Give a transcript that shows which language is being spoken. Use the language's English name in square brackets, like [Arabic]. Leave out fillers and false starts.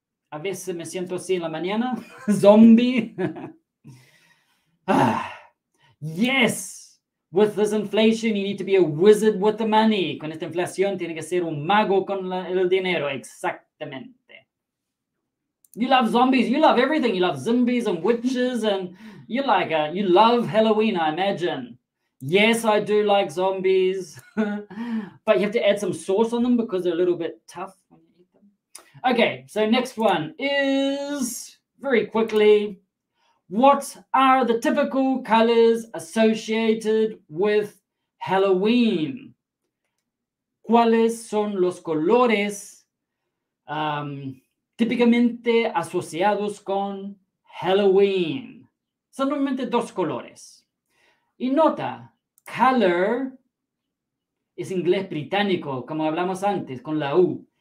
[Spanish] A veces me siento así en la mañana. [English] Zombie. Yes, with this inflation, you need to be a wizard with the money. [Spanish] Con esta inflación, tiene que ser un mago con el dinero. Exactamente. [English] You love zombies. You love everything. You love zombies and witches, and you like you love Halloween, I imagine. Yes, I do like zombies, but you have to add some sauce on them because they're a little bit tough when you eat them. Okay, so next one is very quickly. What are the typical colors associated with Halloween? [Spanish] ¿Cuáles son los colores típicamente asociados con Halloween? Son normalmente dos colores. Y nota, color es inglés británico, como hablamos antes, con la U.